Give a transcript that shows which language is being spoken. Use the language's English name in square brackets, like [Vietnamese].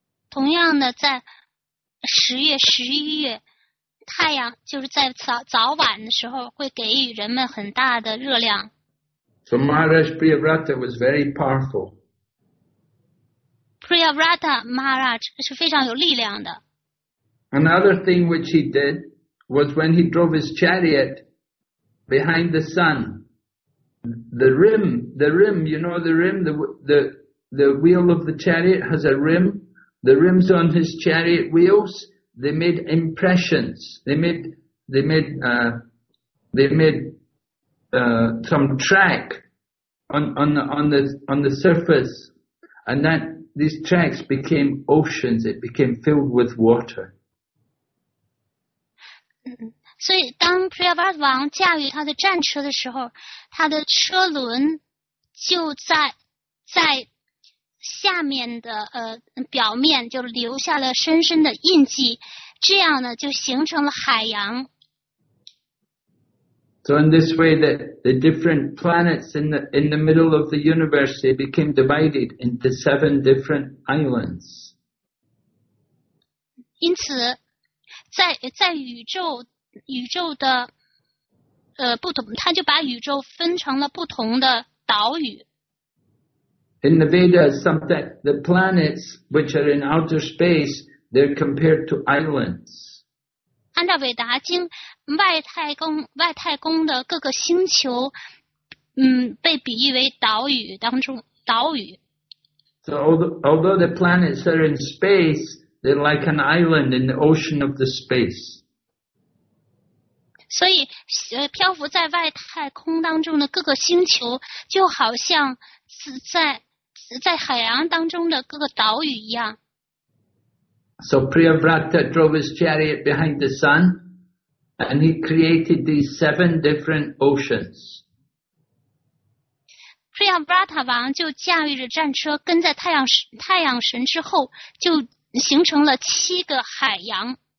[Chinese] 同样的，在十月、十一月，太阳就是在早晚的时候会给予人们很大的热量。 [English] So Maharaj Priyavrata was very powerful. [Chinese] Priyavrata Maharaj 是非常有力量的。 [English] Another thing which he did was when he drove his chariot behind the sun, the rim, you know the rim, the wheel of the chariot has a rim, the rims on his chariot wheels, they made impressions, they made some track on the surface, and that these tracks became oceans, it became filled with water. [Chinese] 所以当 Priyavrata 王驾驭他的战车的时候，他的车轮就在下面的表面就留下了深深的印记，这样呢就形成了海洋。 [English] So in this way that the different planets in the middle of the universe, they became divided into 7 different islands. [Chinese] 因此在宇宙的不同，他就把宇宙分成了不同的岛屿。 [English] In the Vedas, sometimes the planets which are in outer space, they're compared to islands. [Chinese] 按照韦达经，外太空的各个星球，被比喻为岛屿当中岛屿。 [English] So although the planets are in space, they're like an island in the ocean of the space. [Chinese] 所以漂浮在外太空当中的各个星球就好像在海洋当中的各个岛屿一样。 [English] So Priyavrata drove his chariot behind the sun, and he created these seven different oceans. [Chinese] Priyavrata 王就驾驭着战车跟在太阳神之后，就形成了七个海洋。